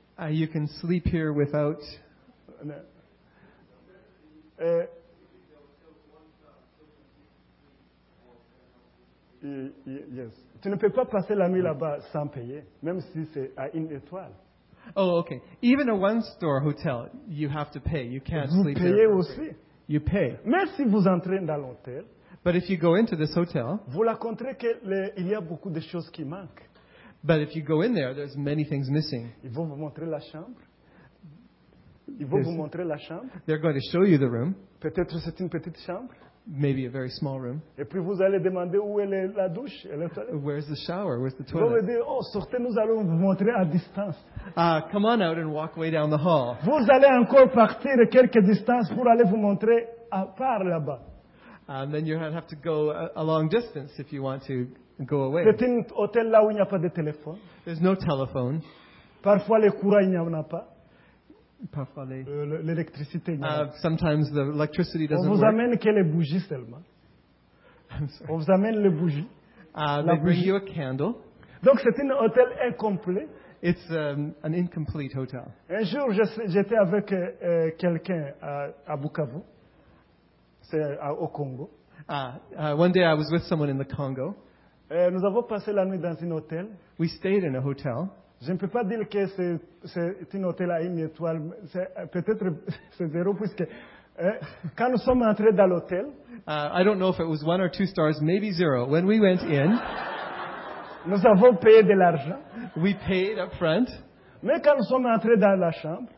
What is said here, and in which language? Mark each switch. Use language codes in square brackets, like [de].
[en] You can sleep here without. Yes. [fr] Tu ne peux pas passer la nuit là-bas sans payer, même si c'est à une étoile. [en] Oh, okay. Even a 1-star hotel, you have to pay. You can't [fr] vous [en] sleep here. [fr] Vous payez aussi. [en] You pay. [fr] Même si vous entrez dans l'hôtel. [en] But if you go into this hotel, [fr] vous la comprenez que il y a beaucoup de choses qui manquent. [en] But if you go in there, there's many things missing. [fr] Ils vont vous montrer la chambre. Ils vont vous montrer la chambre. [en] They're going to show you the room. [fr] Peut-être c'est une petite chambre. [en] Maybe a very small room. [fr] Et puis vous allez demander où est la douche, et la toilette. [en] Where's the shower? Where's the toilet? [fr] Vous allez dire, oh, sortez, nous allons vous montrer à distance. [en] Come on out and walk way down the hall. [fr] Vous allez encore partir quelques distances pour aller vous montrer à part là-bas. [en] Then you have to go a long distance if you want to go away. [fr] C'est un hôtel là où il n'y a pas de téléphone. [en] There's no telephone. [fr] Parfois le courant il n'y en a pas. Parfois l'électricité. [en] Sometimes the electricity doesn't work. [fr] On vous amène que les bougies seulement. [en] I'm sorry. [fr] On vous amène les bougies. [en] They bring you a candle. [fr] Donc c'est un hôtel incomplet. [en] It's an incomplete hotel. [fr] Un jour j'étais avec quelqu'un à Bukavu. C'est au Congo. [en] One day I was with someone in the Congo. [fr] Nous avons passé la nuit dans un hôtel. [en] We stayed in a hotel. [fr] Je ne peux pas dire que c'est un hôtel à une étoile. Peut-être c'est zéro, puisque quand nous sommes entrés dans l'hôtel. [en] I don't know if it was 1 or 2 stars, maybe 0. When we went in. [fr] Nous avons payé de l'argent. [en] We paid up front. [fr] Mais quand nous sommes entrés dans la chambre.